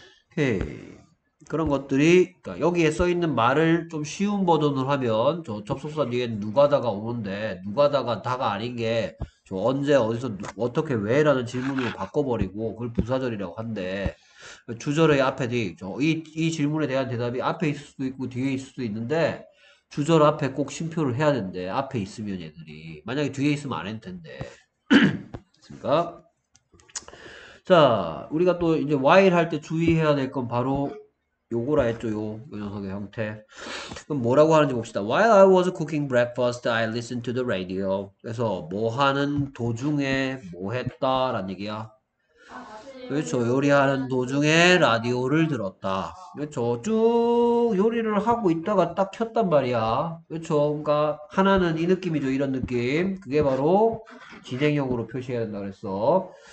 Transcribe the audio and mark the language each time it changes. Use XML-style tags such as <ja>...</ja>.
<ko>오케이. 그런 것들이 그러니까 여기에 써 있는 말을 좀 쉬운 버전으로 하면 저 접속사 뒤에 누가다가 오는데 누가다가 다가 아닌 게저 언제 어디서 어떻게 왜라는 질문으로 바꿔버리고 그걸 부사절이라고 한대 주절의 앞에 뒤저이이 질문에 대한 대답이 앞에 있을 수도 있고 뒤에 있을 수도 있는데 주절 앞에 꼭 쉼표를 해야 된대 앞에 있으면 얘들이 만약에 뒤에 있으면 안 했을 텐데 됐습니까? 자 우리가 또 이제 while 할때 주의해야 될건 바로 요거라 했죠, 요 녀석의 형태. 그럼 뭐라고 하는지 봅시다.</ko> <en>While I was cooking breakfast, I listened to the radio.</en> <ko>그래서 뭐 하는 도중에 뭐 했다란 얘기야. 그렇죠. 요리하는 도중에 라디오를 들었다. 그렇죠. 쭉 요리를 하고 있다가 딱 켰단 말이야. 그렇죠. 그러니까 하나는 이 느낌이죠. 이런 느낌. 그게 바로 진행형으로 표시해야 된다고 그랬어.</ko>